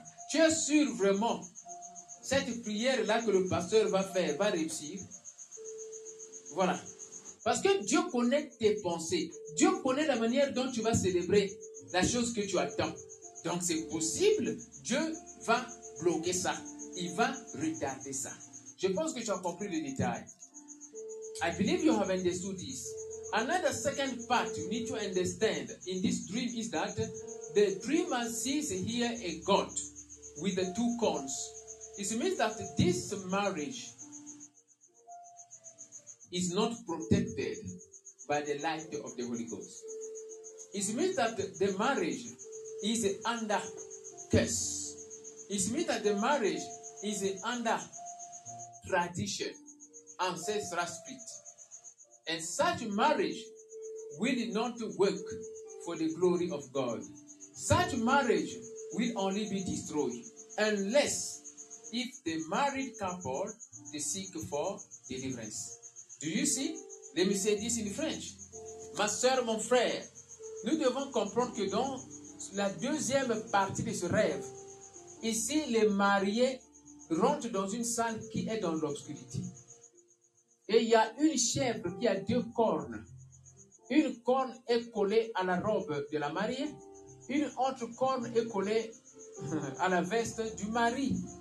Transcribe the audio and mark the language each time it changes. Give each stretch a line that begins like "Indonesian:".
French: Tu es sûr vraiment cette prière-là que le pasteur va faire va réussir? Voilà. Parce que Dieu connaît tes pensées. Dieu connaît la manière dont tu vas célébrer la chose que tu attends. Donc c'est possible, Dieu va bloquer ça. Il va retarder ça. Je pense que tu as compris le détail.
English: I believe you have understood this. Another second part you need to understand in this dream is that the dreamer sees here a goat with the two corns. It means that this marriage is not protected by the light of the Holy Ghost. It means that the marriage is under curse. It means that the marriage is under tradition, ancestral spirit. And such marriage will not work for the glory of God. Such marriage will only be destroyed unless if the married couple they seek for deliverance. Do you see? Let me say this in French.
French: Ma soeur, mon frère, Nous devons comprendre que dans la deuxième partie de ce rêve, ici les mariés rentrent dans une salle qui est dans l'obscurité. Et il y a une chèvre qui a deux cornes. Une corne est collée à la robe de la mariée, une autre corne est collée à la veste du mari.